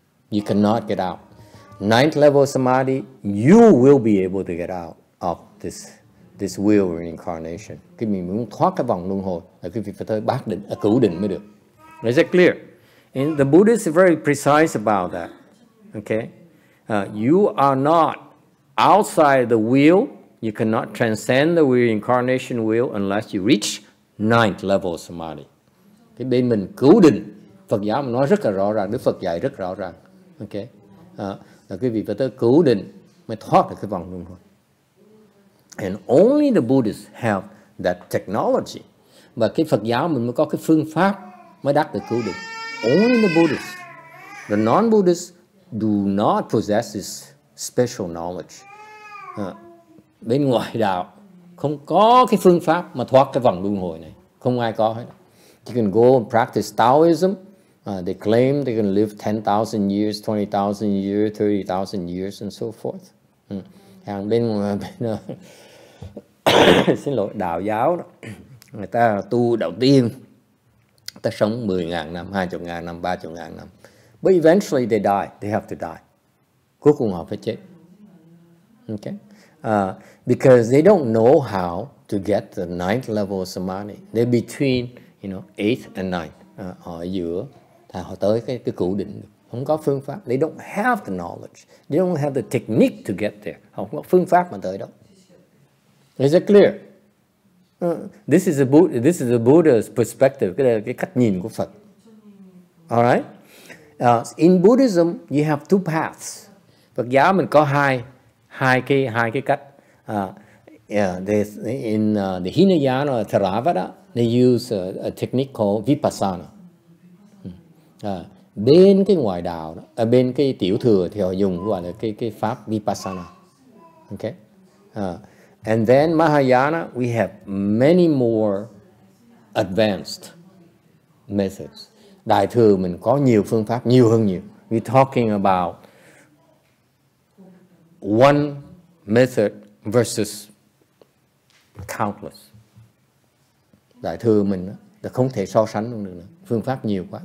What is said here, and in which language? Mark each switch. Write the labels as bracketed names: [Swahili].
[English] You cannot get out. 9th level of samadhi, you will be able to get out of this will reincarnation. [Vietnamese] Cái mình muốn thoát cái vòng luân hồi là cái việc phải tới bát định, ở cửu định mới được. [English] Is that clear? And the Buddhists are very precise about that. Okay? You are not outside the will. You cannot transcend the reincarnation will unless you reach ninth level of samadhi. [Vietnamese] Cái bên mình cửu định, Phật giáo mình nói rất là rõ ràng, Đức Phật dạy rất rõ ràng. [English] Okay? [Vietnamese] Là cái việc phải tới cửu định mới thoát được cái vòng luân hồi. [English] And only the Buddhists have that technology. [Vietnamese] Và cái Phật giáo mình mới có cái phương pháp mới đạt được cứu định. [English] Only the Buddhists. The non-Buddhists do not possess this special knowledge. [Vietnamese] Bên ngoài đạo không có cái phương pháp mà thoát cái vòng luân hồi này. Không ai có hết. [English] You can go and practice Taoism. They claim they can live 10,000 years, 20,000 years, 30,000 years and so forth. [Vietnamese] Hàng bên bên xin lỗi đạo giáo đó, người ta tu đạo tiên, ta sống 10.000 năm, 20.000 năm, 30.000 năm. [English] But eventually they die, they have to die. [Vietnamese] Cuối cùng họ phải chết. [English] Okay? Because they don't know how to get the ninth level of samadhi. They're between, you know, eighth and ninth. [Vietnamese] Họ ở giữa, họ tới cái cửu định. Không có phương pháp. [English] They don't have the knowledge. They don't have the technique to get there. [Vietnamese] Họ không có phương pháp mà tới đâu. [English] Is it clear? This is a Buddha's perspective. [Vietnamese] Cái là cái cách nhìn của Phật. [English] All right? In Buddhism, you have two paths. [Vietnamese] Phật giáo mình có hai cái cách. [English] The Hinayana or Theravada, they use a technique called Vipassana. [Vietnamese] Bên cái ngoại đạo đó, bên cái tiểu thừa thì họ dùng gọi là cái pháp Vipassana. [English] Okay? And then Mahayana, we have many more advanced methods. [Vietnamese] Đại thừa mình có nhiều phương pháp, nhiều hơn nhiều. [English] We're talking about one method versus countless. [Vietnamese] Đại thừa mình là không thể so sánh được nữa. Phương pháp nhiều quá.